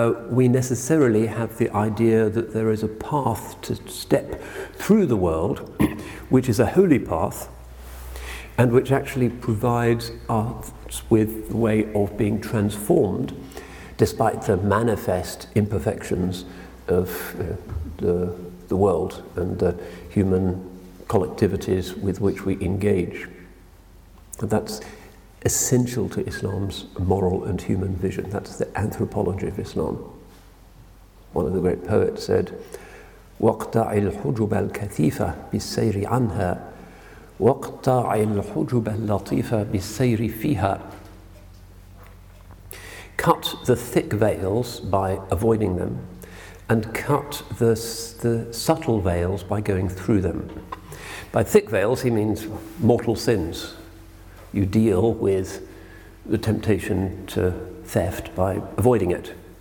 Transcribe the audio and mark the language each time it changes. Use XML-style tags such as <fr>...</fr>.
<en>we necessarily have the idea that there is a path to step through the world, which is a holy path, and which actually provides us with the way of being transformed, despite the manifest imperfections of the world and the human collectivities with which we engage. And that's essential to Islam's moral and human vision. That's the anthropology of Islam.</en> <ar>One of the great poets said, وَقْتَعِ الْحُجُبَ الْكَثِيفَ بِالسَّيْرِ عَنْهَا وَقْتَعِ الْحُجُبَ اللَّطِيفَ بِالسَّيْرِ فِيهَا.</ar> <en>Cut the thick veils by avoiding them, and cut the subtle veils by going through them. By thick veils, he means mortal sins. You deal with the temptation to theft by avoiding it.</en>